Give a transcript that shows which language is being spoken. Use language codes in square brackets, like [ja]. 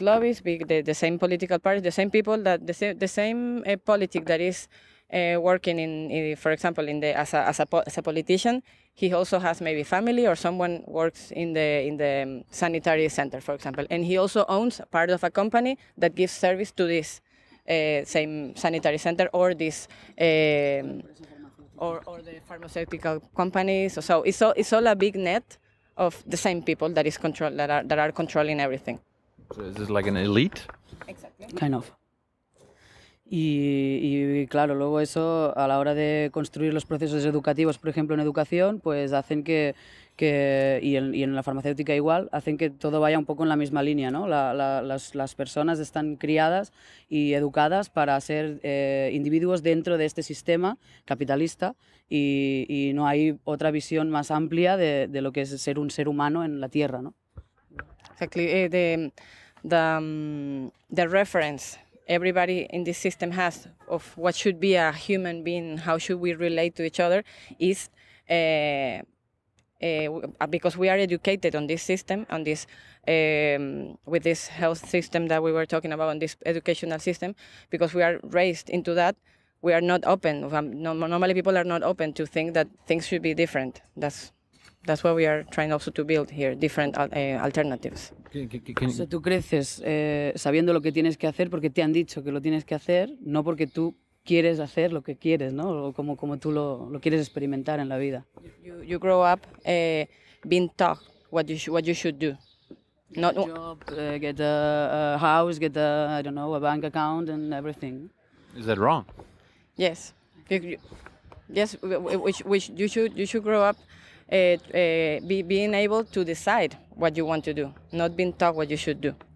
[en] lobbies, the same political parties, the same people that the same politic that is working in, for example, in the as a politician, he also has maybe family or someone works in the sanitary center, for example, and he also owns part of a company that gives service to this. same sanitary center or this or the pharmaceutical companies. So it's all a big net of the same people that is control that are controlling everything. So is this like an elite? Exactly. Kind of. [es] Y claro, luego eso a la hora de construir los procesos educativos, por ejemplo en educación, pues hacen que y en la farmacéutica igual, hacen que todo vaya un poco en la misma línea, ¿no? Las personas están criadas y educadas para ser individuos dentro de este sistema capitalista y no hay otra visión más amplia de lo que es ser un ser humano en la tierra, ¿no? [en] Exactly. The reference everybody in this system has of what should be a human being, how should we relate to each other, is because we are educated on this system, on this with this health system that we were talking about, on this educational system, because we are raised into that, we are not open. Normally people are not open to think that things should be different. That's what we are trying also to build here, different alternatives. [es] O sea, tú creces sabiendo lo que tienes que hacer porque te han dicho que lo tienes que hacer, no porque tú quieres hacer lo que quieres, ¿no? O como tú lo quieres experimentar en la vida. [en] You grow up being taught what you should do. Not a job, get a house, get a bank account and everything. Is that wrong? Yes. You should grow up being able to decide what you want to do, not being taught what you should do.